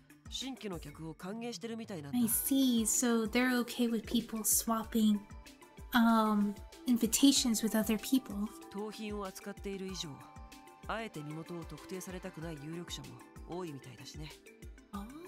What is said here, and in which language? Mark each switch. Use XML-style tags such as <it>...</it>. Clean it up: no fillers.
<ja>会員限定で登録されている人しか入ることはできないとか。いや、それはないと思うよ。裏の社交界的な側面があるから、新規の客を歓迎してるみたいなんだ。</ja> <en>I see. So they're okay with people swapping invitations with other people.</en> <ja>盗品を扱っている以上、あえて身元を特定されたくない有力者も多いみたいだしね。Oh.</ja>